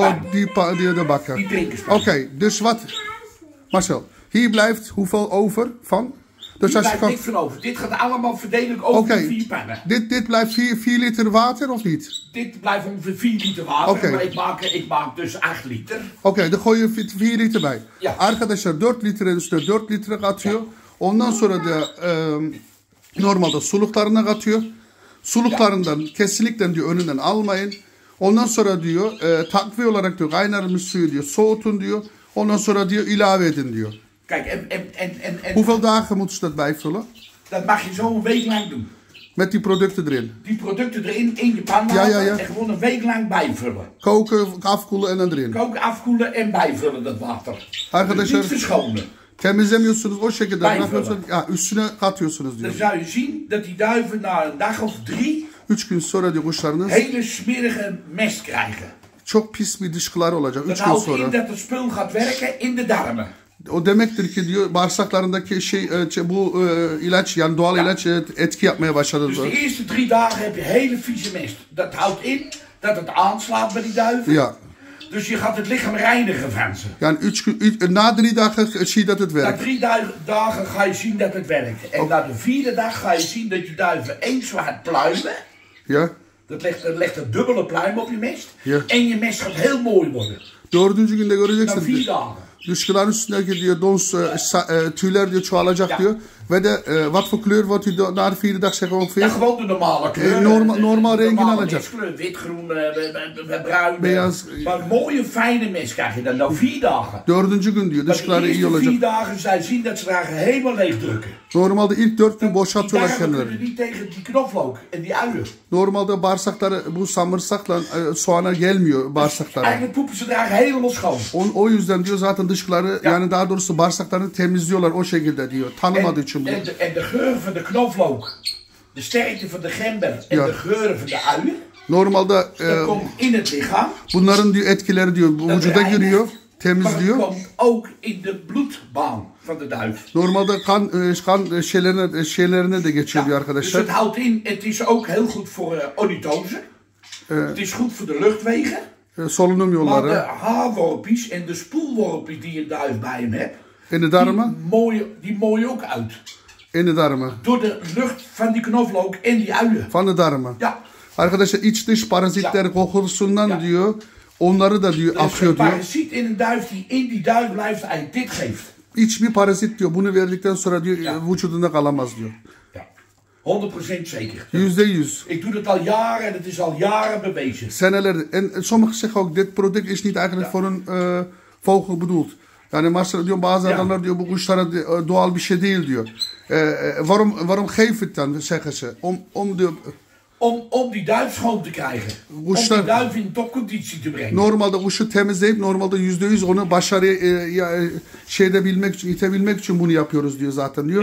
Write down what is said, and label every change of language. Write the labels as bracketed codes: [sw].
[nl] Die de bakken. Die drinken ze. Oké, okay, dus wat? Marcel, hier blijft hoeveel over van? Dus hier als blijft je kan niks van over. Dit gaat allemaal verdelen over okay de 4 pannen. Dit blijft 4 liter water of niet? Dit blijft ongeveer 4 liter water. Okay. Maar ik maak dus 8 liter. Oké, okay, dan gooi je 4 liter bij. Ja. [tr] Arkadaşlar 4 liter [nl] en dus [tr] 4 liter katıyor. Ja. Ondan sonra da normalde suluklarına katıyor. Suluklarından ya kesinlikle diyor önünden almayın. Ondan sonra diyor takviye olarak diyor kaynarmış suyu diyor soğutun diyor. Ondan sonra diyor ilave edin diyor. [nl] Kijk, en hoeveel dagen moet je dat bijvullen? Dat mag je zo een week lang doen. Met die producten erin? Die producten erin in je pan laten, ja, ja, ja, en gewoon een week lang bijvullen. Koken, afkoelen en dan erin? Koken, afkoelen en bijvullen dat water. [tr] Arkadaşlar, [nl] dus niet verschonen. [tr] Temizlemiyorsunuz o şekilde. [nl] Bijvullen. [tr] Ja, üstüne katıyorsunuz diyor. [nl] Dan zou je zien dat die duiven na een dag of 3 [tr] 3 gün sonra diyor kuşlarınız [nl] hele smerige mest krijgen. [tr] Çok pis bir dışkılar olacak 3 gün sonra. [nl] Dat houdt in dat het spul gaat werken in de darmen. [tr] O demektir ki diyor bağırsaklarındaki şey bu ilaç yani doğal ja ilaç etki yapmaya başladı. [nl] Dus de eerste 3 dagen heb je hele vieze mest. Dat houdt in dat het aanslaat bij die duiven. Ja. Dus je gaat het lichaam reinigen van ze. Ja, na 3 dagen zie je dat het werkt. Na 3 dagen ga je zien dat het werkt. En okay, na de 4e dag ga je zien dat je duiven eens zwaar pluimen. Ja. Dat legt een dubbele pluim op je mest. Ja. En je mest gaat heel mooi worden. [tr] Dördüncü günde göreceksin. [nl] Na 4 dagen. [tr] Dışkıların üstündeki diyor dons tüyler diyor çoğalacak ja diyor. [nl] Ve de wat voor kleur wordt die daar vierde dag zeg maar ongeveer? Ja, gewoon de normale kleur. [tr] Normaal rengin alacak. [nl] Normale mestkleur, wit, groen, bruin. [tr] Beyaz. [nl] Maar mooie fijne mest krijg je dan na 4 dagen. [tr] Dördüncü gün diyor dışkıları iyi olacak. [nl] Maar de eerste 4 dagen zij zien dat ze daar helemaal leeg drukken. [tr] Normalde ilk 4 gün boşaltıyorlar kendileri. [nl] Daarom kunnen niet tegen die knoflook en die uien. [tr] Normalde bağırsakları bu samırsakla soğana gelmiyor bağırsaklara. [nl] Eigenlijk poepen ze daar helemaal schoon. [tr] O yüzden diyor zaten dışkıları ya, yani daha doğrusu bağırsaklarını temizliyorlar o şekilde diyor. Tanımadığı için bunu. [nl] En de geur van de knoflook, de sterkte van de gember en ja de geur van de ui. [tr] Normalde [nl] komt in het lichaam. [tr] Bunların diyor etkileri diyor vücuda giriyor, temizliyor. [nl] Maar het komt ook in de bloedbaan van de duif. [tr] Normalde kan şeylerine de geçiyor ja arkadaşlar. [nl] Dus het houdt in, het is ook heel goed voor ornitose. Het is goed voor de luchtwegen. [tr] Solunum yolları. [nl] Maar de haarworpjes en de spoelworpjes die je duif bij hem hebt. In de darmen? Die mooi ook uit. In de darmen? Door de lucht van die knoflook en die uien. Van de darmen? Ja. [tr] Arkadaşlar iç dış parazitler ja kokusundan ja diyor. Onları da diyor afiyor diyor. [nl] Er is een parasiet in een duif die in die duif blijft en dit geeft. [tr] İç bir parazit diyor. Bunu verdikten sonra diyor ja vücudunda kalamaz diyor. [nl] 100% zeker. [tr] %100. [nl] Ik doe dat al jaren en het is al jaren bewezen. [tr] Seneler. [nl] En sommigen zeggen ook, dit product is niet eigenlijk ja voor een vogel bedoeld. [tr] Yani Marcel diyor, bazı ja adamlar diyor, bu kuşlara doğal bir şey değil diyor. [nl] Waarom geef het dan, zeggen ze? Om die duif schoon te krijgen. [tr] Kuşlar, [nl] om die duif in topconditie te brengen. [tr] Normalde kuşu temizleyip, normalde %100 onu başarıya şeyde bilmek için, itebilmek için bunu yapıyoruz diyor zaten diyor.